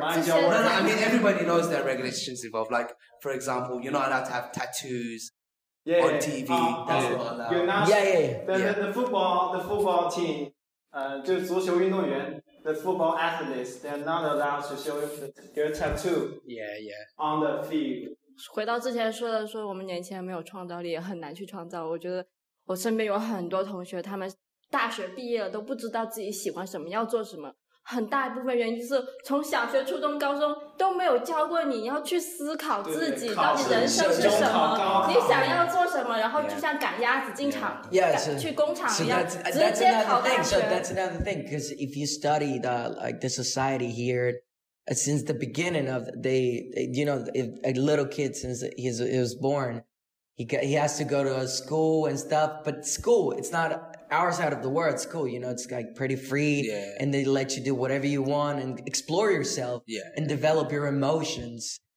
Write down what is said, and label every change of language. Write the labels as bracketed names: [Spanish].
[English] No, I mean, everybody knows there are regulations involved. Like, for example, you're not allowed to have tattoos. Yeah, on TV. That's not allowed. You're not, The football team. [Chinese] 就足球运动员, [English] the football athletes, they're not allowed to show their tattoo on the field. [Chinese] 回到之前说的，我们年轻人没有创造力，很难去创造。我觉得我身边有很多同学，他们大学毕业了都不知道自己喜欢什么，要做什么。很大一部分原因就是从小学、初中、高中都没有教过你要去思考自己到底人生是什么，你想要做什么，然后就像赶鸭子进厂、去工厂一样，直接考大学。 [English] That's another thing, because if you study the society here,since the beginning of if a little kid, since he was born, he has to go to a school and stuff, but school, it's not our side of the world, school, you know, it's like pretty free, and they let you do whatever you want and explore yourself and develop your emotions.